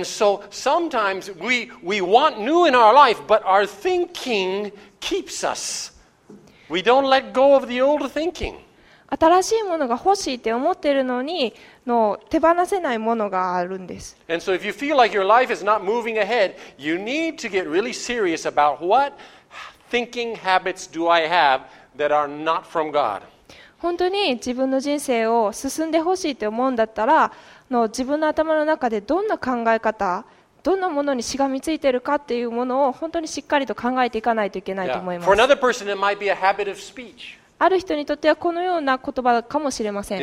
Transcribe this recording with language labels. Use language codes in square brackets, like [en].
[en] And so sometimes we want new in our life, but our thinking keeps us. We don't let go of the old thinking. [ja] 新しいものが欲しいって思ってるのに、手放せないものがあるんです。 [en] And so if you feel like your life is not moving ahead, you need to get really serious about what thinking habits do I have that are not from God. [ja] 本当に自分の人生を進んでほしいと思うんだったら、自分の頭の中でどんな考え方、どんなものにしがみついているかっていうものを本当にしっかりと考えていかないといけないと思います。 [en] Another person, it might be a habit of speech. [ja] ある人にとってはこのような言葉かもしれません。